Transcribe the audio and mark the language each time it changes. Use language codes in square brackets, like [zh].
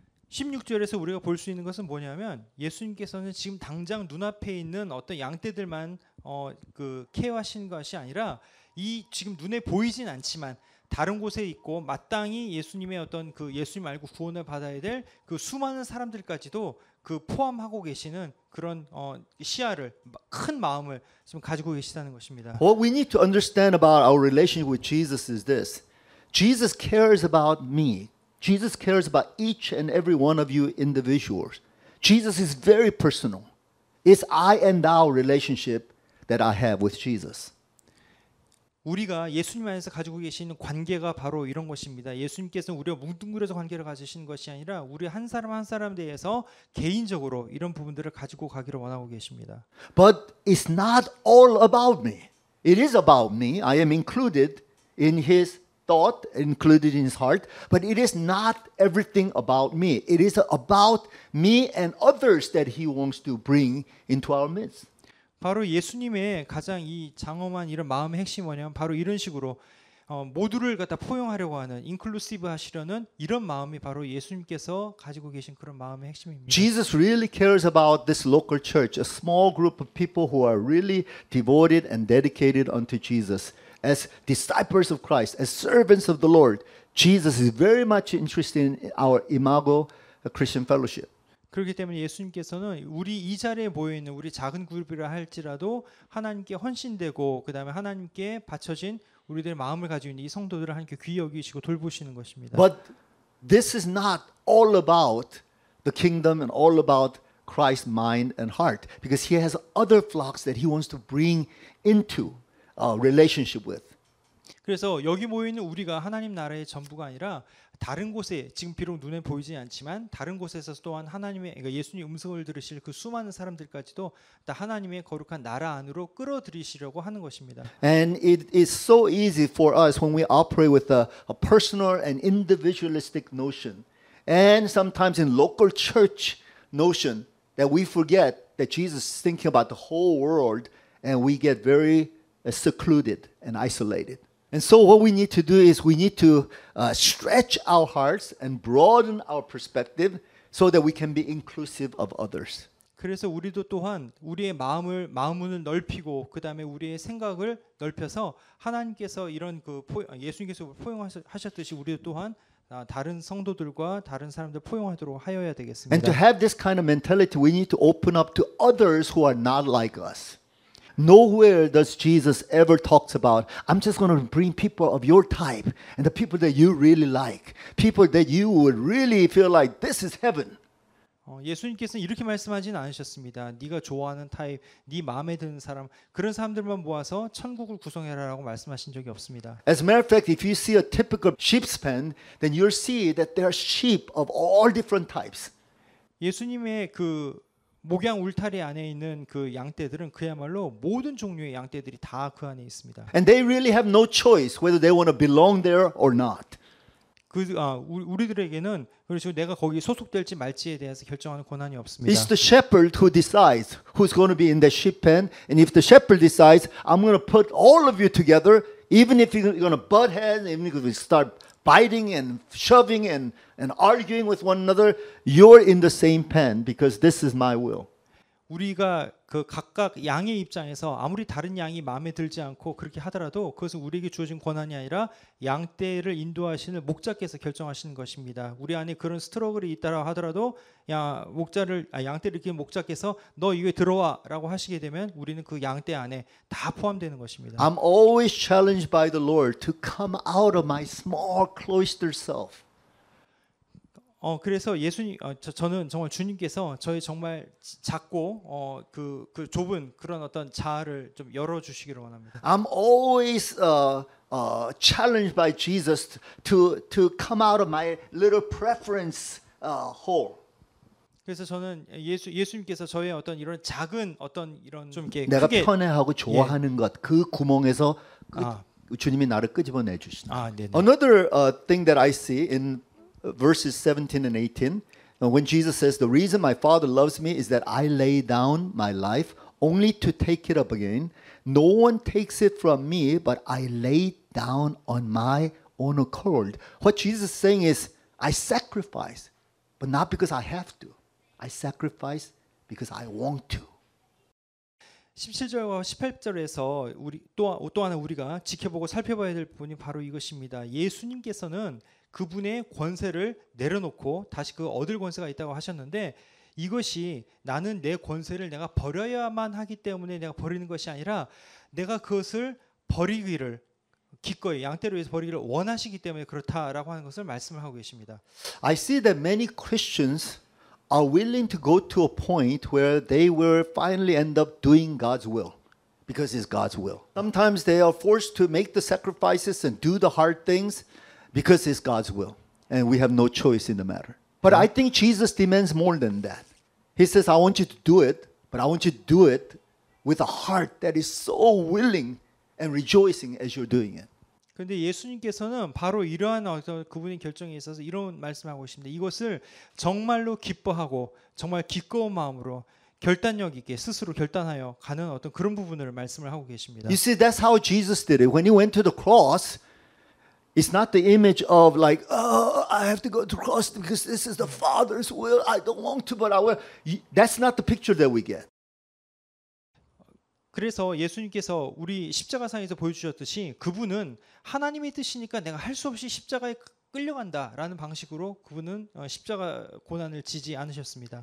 [ko] 16절에서 우리가 볼 수 있는 것은 뭐냐면 예수님께서는 지금 당장 눈앞에 있는 어떤 양떼들만 그 케어하신 것이 아니라 이 지금 눈에 보이진 않지만 다른 곳에 있고 마땅히 예수님의 어떤 그 예수님 말고 구원을 받아야 될 그 수많은 사람들까지도 그 포함하고 계시는 그런 시야를 큰 마음을 지금 가지고 계시다는 것입니다. [en] What we need to understand about our relationship with Jesus is this. Jesus cares about me. Jesus cares about each and every one of you individuals. Jesus is very personal. It's I and thou relationship that I have with Jesus. [ko] 우리가 예수님 안에서 가지고 계시는 관계가 바로 이런 것입니다. 예수님께서는 우리와 뭉뚱그려서 관계를 가지신 것이 아니라 우리 한 사람 한 사람에 대해서 개인적으로 이런 부분들을 가지고 가기를 원하고 계십니다. [en] But it's not all about me. It is about me. I am included in his thought included in his heart, but it is not everything about me. It is about me and others that he wants to bring into our midst. [ko] 바로 예수님의 가장 이 장엄한 이런 마음의 핵심이 뭐냐면 바로 이런 식으로 모두를 갖다 포용하려고 하는 인클루시브 하시려는 이런 마음이 바로 예수님께서 가지고 계신 그런 마음의 핵심입니다. [en] Jesus really cares about this local church, a small group of people who are really devoted and dedicated unto Jesus as disciples of Christ, as servants of the Lord. Jesus is very much interested in our Imago Christian Fellowship. [ko] 그렇기 때문에 예수님께서는 우리 이 자리에 모여 있는 우리 작은 그룹이라 할지라도 하나님께 헌신되고 그다음에 하나님께 바쳐진 우리들의 마음을 가지고 있는 이 성도들을 하나님께 귀히 여기시고 돌보시는 것입니다. [en] But this is not all about the kingdom and all about Christ's mind and heart because he has other flocks that he wants to bring into a relationship with. [ko] 그래서 여기 모여 있는 우리가 하나님 나라의 전부가 아니라 다른 곳에 지금 비록 눈에 보이지 않지만 다른 곳에서 또한 하나님의 그러니까 예수님 음성을 들으실 그 수많은 사람들까지도 다 하나님의 거룩한 나라 안으로 끌어들이시려고 하는 것입니다. [en] And it is so easy for us when we operate with a personal and individualistic notion and sometimes in local church notion that we forget that Jesus is thinking about the whole world and we get very secluded and isolated. And so what we need to do is we need to stretch our hearts and broaden our perspective so that we can be inclusive of others. [ko] 그래서 우리도 또한 우리의 마음을 넓히고 그다음에 우리의 생각을 넓혀서 하나님께서 이런 그 예수님께서 포용하셨듯이 우리도 또한 다른 성도들과 다른 사람들 포용하도록 하여야 되겠습니다. [en] And to have this kind of mentality we need to open up to others who are not like us. Nowhere does Jesus ever talks about, I'm just going to bring people of your type and the people that you really like, people that you would really feel like this is heaven. [ko] 예수님께서는 이렇게 말씀하지는 않으셨습니다. 네가 좋아하는 타입, 네 마음에 드는 사람, 그런 사람들만 모아서 천국을 구성해라라고 말씀하신 적이 없습니다. [en] As a matter of fact, if you see a typical sheep's pen, then you'll see that there are sheep of all different types. [ko] 예수님의 그 목양 울타리 안에 있는 그 양떼들은 그야말로 모든 종류의 양떼들이 다 그 안에 있습니다. [en] And they really have no choice whether they want to belong there or not. [ko] 그 우리들에게는 그렇죠. 내가 거기 소속될지 말지에 대해서 결정하는 권한이 없습니다. [en] It's the shepherd who decides who's going to be in the sheep pen. And if the shepherd decides, I'm going to put all of you together, even if you're going to butt heads, even if we start biting and shoving and arguing with one another, you're in the same pen because this is my will. [ko] 우리가 그 각각 양의 입장에서 아무리 다른 양이 마음에 들지 않고 그렇게 하더라도 그것은 우리에게 주어진 권한이 아니라 양떼를 인도하시는 목자께서 결정하시는 것입니다. 우리 안에 그런 스트러글이 있다라 하더라도 야 목자를 아 양떼를 이렇게 목자께서 너 이게 들어와라고 하시게 되면 우리는 그 양떼 안에 다 포함되는 것입니다. [en] I'm always challenged by the Lord to come out of my small cloistered self. [ko] 그래서 예수님 저는 정말 주님께서 저의 정말 작고 그 좁은 그런 어떤 자아를 좀 열어 주시기를 원합니다. [en] I'm always challenged by Jesus to come out of my little preference hole. [ko] 그래서 저는 예수님께서 저의 어떤 이런 작은 어떤 이런 좀 이렇게 내가 크게, 편애하고 좋아하는 예. 것 그 구멍에서 주님이 나를 끄집어 내 주시는. 아, [en] Another thing that I see in verses 17 and 18 when Jesus says the reason my father loves me is that I lay down my life only to take it up again no one takes it from me but I lay down on my own accord what Jesus is saying is I sacrifice but not because I have to I sacrifice because I want to [ko] 17절과 18절에서 우리 또 하나 우리가 지켜보고 살펴봐야 될 부분이 바로 이것입니다 예수님께서는 그분의 권세를 내려놓고 다시 그 얻을 권세가 있다고 하셨는데 이것이 나는 내 권세를 내가 버려야만 하기 때문에 내가 버리는 것이 아니라 내가 그것을 버리기를 기꺼이 양떼를 위해서 버리기를 원하시기 때문에 그렇다라고 하는 것을 말씀을 하고 계십니다. [en] I see that many Christians are willing to go to a point where they will finally end up doing God's will. Because it's God's will. Sometimes they are forced to make the sacrifices and do the hard things Because it's God's will, and we have no choice in the matter. But I think Jesus demands more than that. He says, I want you to do it, but I want you to do it with a heart that is so willing and rejoicing as you're doing it. [ko] 그런데 예수님께서는 바로 이러한 그분의 결정에 있어서 이런 말씀하고 있습니다. 이것을 정말로 기뻐하고 정말 기꺼운 마음으로 결단력 있게 스스로 결단하여 가는 어떤 그런 부분을 말씀을 하고 계십니다. [en] You see, that's how Jesus did it. When he went to the cross, it's not the image of like, oh, I have to go to the cross because this is the Father's will. I don't want to, but I will. That's not the picture that we get. [ko] 그래서 예수님께서 우리 십자가상에서 보여주셨듯이 그분은 하나님의 뜻이니까 내가 할 수 없이 십자가에 끌려간다라는 방식으로 그분은 십자가 고난을 지지 않으셨습니다.